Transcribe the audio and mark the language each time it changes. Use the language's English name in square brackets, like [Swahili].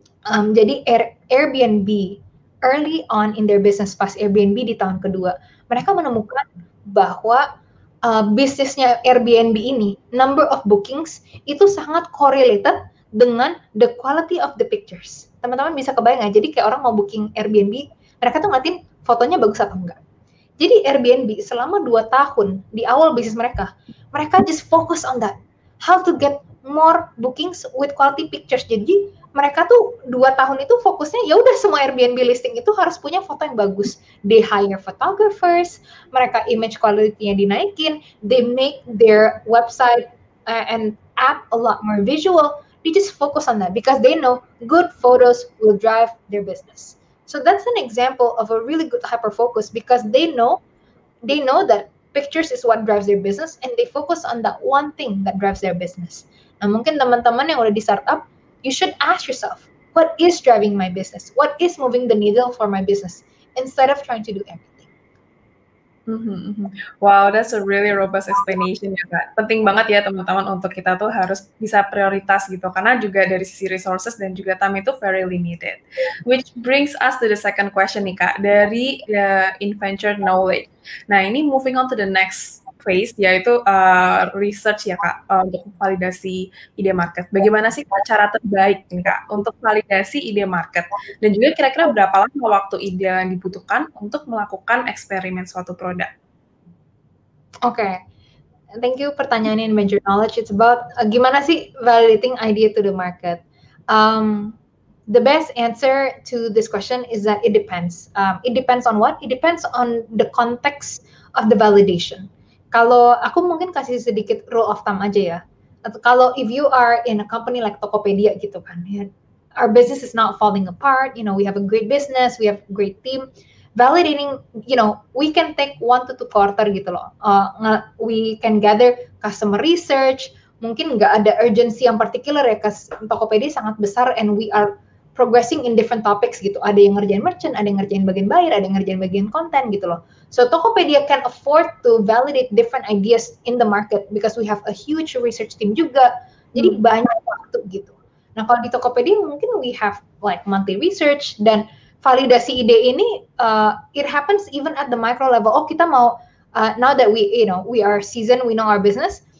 [Indonesian] Jadi Airbnb, [English] early on in their business, [Indonesian] pas Airbnb di tahun kedua, mereka menemukan bahwa bisnisnya Airbnb ini, [English] number of bookings, [Indonesian] itu sangat correlated dengan [English] the quality of the pictures. [Indonesian] Teman-teman bisa kebayang gak? Jadi kayak orang mau booking Airbnb, mereka tuh ngeliatin fotonya bagus atau enggak. Jadi Airbnb selama 2 tahun di awal bisnis mereka, mereka [English] just focus on that. How to get more bookings with quality pictures. [Indonesian] Jadi mereka tuh 2 tahun itu fokusnya ya udah semua Airbnb listing itu harus punya foto yang bagus. [English] They hire photographers, [Indonesian] mereka image quality-nya dinaikin, [English] they make their website and app a lot more visual. They just focus on that because they know good photos will drive their business. So that's an example of a really good hyper focus because they know that pictures is what drives their business, and they focus on that one thing that drives their business. [Indonesian] Nah, mungkin teman-teman yang udah di startup, [English] you should ask yourself, what is driving my business? What is moving the needle for my business? Instead of trying to do everything. Wow, that's a really robust explanation [Indonesian] ya, Kak. Penting banget ya, teman-teman, untuk kita tuh harus bisa prioritas gitu, karena juga dari sisi resources dan juga time itu [English] very limited. Which brings us to the second question [Indonesian] nih, Kak, dari [English] Inventure Knowledge. [Indonesian] Nah, ini [English] moving on to the next phase, [Indonesian] yaitu research ya, Kak, untuk validasi ide market. Bagaimana sih cara terbaik, Kak, untuk validasi ide market? Dan juga kira-kira berapa lama waktu ide yang dibutuhkan untuk melakukan eksperimen suatu produk? [English] Oke. Okay. Thank you [Indonesian] pertanyaannya, [English] Inventure Knowledge. It's about [Indonesian] gimana sih [English] validating idea to the market? The best answer to this question is that it depends. It depends on what? It depends on the context of the validation. [Indonesian] Kalau aku mungkin kasih sedikit [English] rule of thumb [Indonesian] aja ya. Kalau [English] if you are in a company like Tokopedia [Indonesian] gitu kan, [English] our business is not falling apart, you know, we have a great business, we have a great team. Validating, you know, we can take 1 to 2 quarter [Indonesian] gitu loh. [English] We can gather customer research, [Indonesian] mungkin nggak ada urgency yang particular ya, karena Tokopedia sangat besar [English] and we are progressing in different topics gitu. [Indonesian] Ada yang ngerjain merchant, ada yang ngerjain bagian buyer, ada yang ngerjain bagian konten gitu loh. [English] So Tokopedia can afford to validate different ideas in the market because we have a huge research team [Indonesian] juga. Jadi banyak waktu gitu. Nah kalau di Tokopedia mungkin [English] we have like monthly research [Indonesian] dan validasi ide ini [English] it happens even at the micro level. [Indonesian] Oh kita mau [English] now that we, you know, we are seasoned, we know our business,